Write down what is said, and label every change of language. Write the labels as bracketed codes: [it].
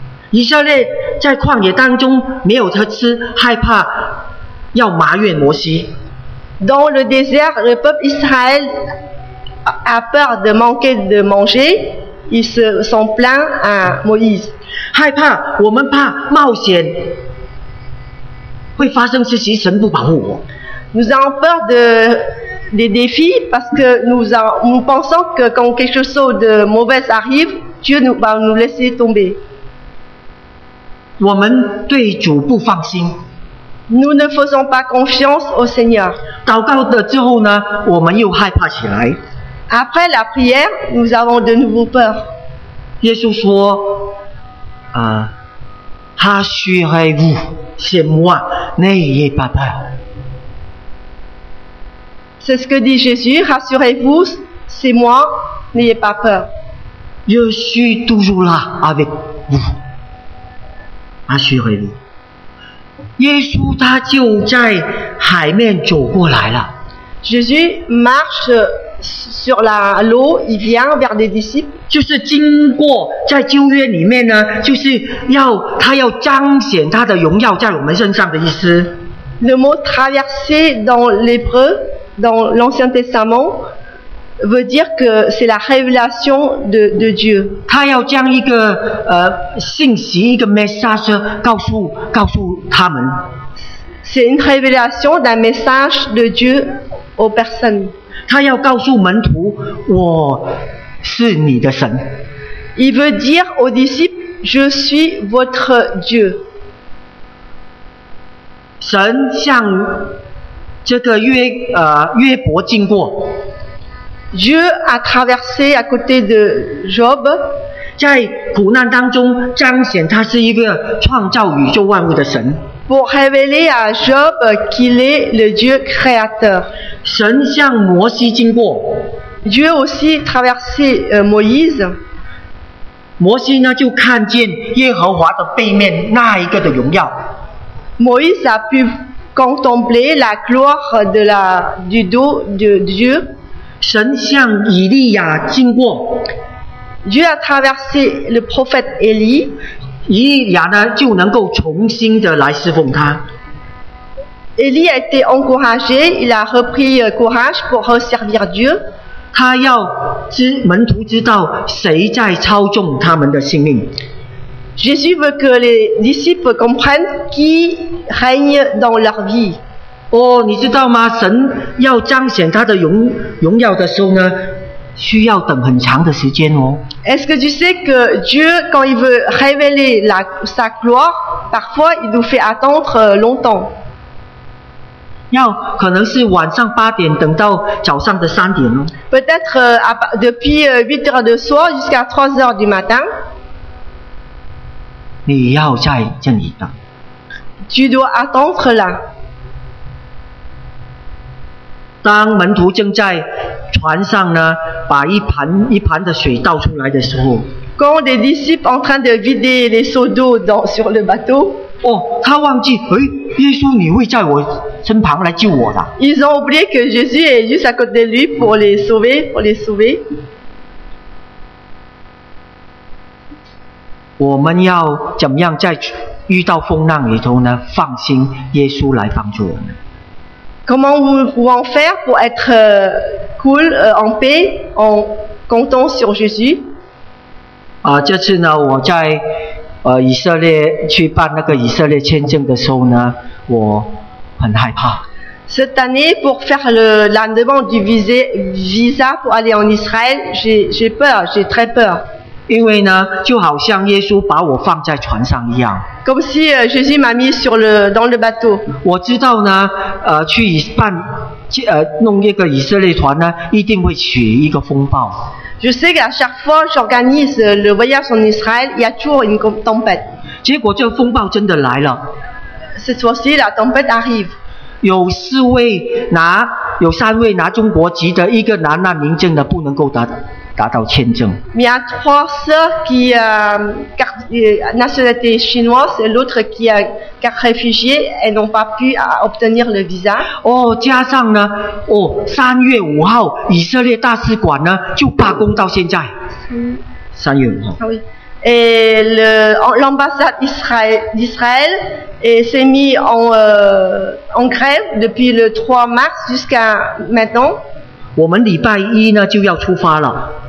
[zh] 以色列在旷野当中没有得吃，害怕要埋怨摩西。 [fr] Dans le désert, le peuple Israël a peur de manquer de manger. Ils se sont plaints à Moïse. [zh] 害怕，我们怕冒险。会发生事情，神不保护我。 [fr] Nous avons peur des défis parce que nous pensons que quand quelque chose de mauvais arrive, Dieu va nous laisser tomber. [zh] 我们对主不放心。 [fr] Nous ne faisons pas confiance au Seigneur. [zh] 祷告的之后呢，我们又害怕起来。 [fr] Après la prière, nous avons de nouveau peur. [zh] 耶稣说，他需要我。 [fr] C'est ce que dit Jésus, rassurez-vous, c'est moi, n'ayez pas peur. Je suis toujours là avec vous. Rassurez-vous. [zh] Jésus, 他就在海面走过来了。 [fr] Jésus marche sur l'eau, il vient vers les disciples. [zh] 就是经过在旧约里面呢，就是要他要彰显他的荣耀在我们身上的意思。 [fr] Le mot traverser dans l'Hébreu, dans l'Ancien Testament, veut dire que c'est la révélation de Dieu. [zh] 他要将一个信息，一个 message 告诉他们。 [fr] C'est une révélation d'un message de Dieu aux personnes. [zh] 他要告诉门徒，我是你的神。 [fr] Il veut dire aux disciples, je suis votre Dieu. [zh] 神向这个约伯经过。 [fr] Dieu a traversé à côté de Job. [zh] 在苦难当中彰显他是一个创造宇宙万物的神。 [fr] Pour révéler à Job qu'il est le Dieu créateur. [zh] 神向摩西经过。 [fr] Dieu aussi traversé Moïse. [zh] 摩西呢就看见耶和华的背面那一个的荣耀。 [fr] Moïse a pu contempler la gloire du dos de Dieu. [zh] 神向以利亚经过。 [fr] Dieu a traversé le prophète Élie. [zh] 以利亚呢就能够重新的来侍奉他。 [fr] Eli a été encouragé, il a repris courage pour servir Dieu. [zh] 他要门徒知道谁在操纵他们的性命。 [fr] Jésus veut que les disciples comprennent qui règne dans leur vie. [zh] 哦，你知道吗？神要彰显他的荣耀的时候呢？需要等很长的时间哦。 [fr] Est-ce que tu sais que Dieu, quand il veut révéler sa gloire, parfois il nous fait attendre longtemps. [zh] 要可能是晚上八点等到早上的三点哦。 [fr] Peut-être depuis 8 heures de soir jusqu'à 3 heures du matin. [zh] 你要在这里等。 [fr] Tu dois attendre là. [zh] 当门徒正在船上呢，把一盘一盘的水倒出来的时候 [fr] ，quand les disciples en train de vider les seaux d'eau sur le bateau， [zh] 哦，他忘记，哎，耶稣，你会在我身旁来救我的。 [fr] Ils ont oublié que Jésus est juste à côté de lui pour les sauver， pour les sauver。 [zh] 我们要怎么样在遇到风浪里头呢？放心，耶稣来帮助我们。 [fr] Comment nous pouvons faire pour être cool, en paix, en comptant sur Jésus? [zh] 这次呢，我在以色列去办那个以色列签证的时候呢，我很害怕。 [fr] Cette année, pour faire la demande du visa pour aller en Israël, j'ai peur, j'ai très peur. [zh] 因为呢，就好像耶稣把我放在船上一样。 [fr] Comme si Jésus m'a mis dans le bateau. [zh] 我知道呢，去办弄一个以色列团呢，一定会起一个风暴。 [fr] Je sais qu'à chaque fois j'organise le voyage en Israël, il y a toujours une tempête. [zh] 结果这风暴真的来了。 [fr] Cette fois-ci, la tempête arrive. [zh] 有三位拿中国籍的，一个拿难民证的，不能够达到签证。 [fr] Il y a trois sœurs qui ont nationalité chinoise et l'autre qui a carte réfugié et n'ont pas pu obtenir le visa. [zh] 哦，加上呢，哦，三月五号以色列大使馆呢就罢工到现在。三月五号。 [fr] Oui. Et l'ambassade d'Israël s'est mise en grève depuis le 3 mars jusqu'à maintenant. [zh] 我们礼拜一呢就要出发了。